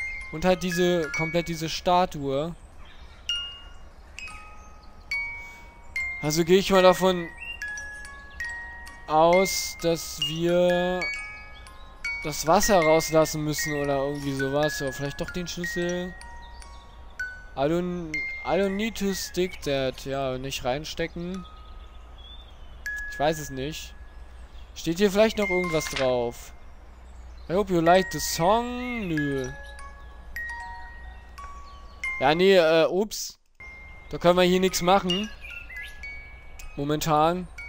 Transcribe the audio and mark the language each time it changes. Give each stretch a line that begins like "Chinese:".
German: Und halt diese, komplett diese Statue. Also gehe ich mal davon aus, dass wir das Wasser rauslassen müssen oder irgendwie sowas. Oder vielleicht doch den Schlüssel.
English: I don't need to stick that.
German: Ja, nicht reinstecken. Ich weiß es nicht. Steht hier vielleicht noch irgendwas drauf?
English: I hope you like the song.
German: Nö. Ja, nee, ups. Da können wir hier nichts machen. Momentan.